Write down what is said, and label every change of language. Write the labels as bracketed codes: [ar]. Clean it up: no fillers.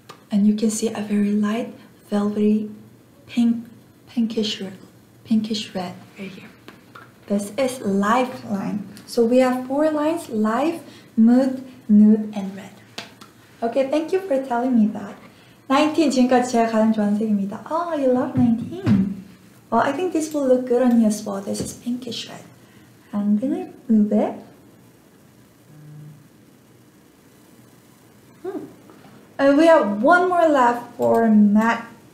[en] And you can see a very light, velvety, pinkish red right here. This is Lifeline. So we have four lines: Life, Mood, Nude, and Red. Okay, thank you for telling me that. [ko] 19 지금까지 제가 가장 좋아하는 색입니다. [en] Oh, you love 19. Well, I think this will look good on you as well. This is pinkish red. I'm gonna move it. And we have one more left for matte.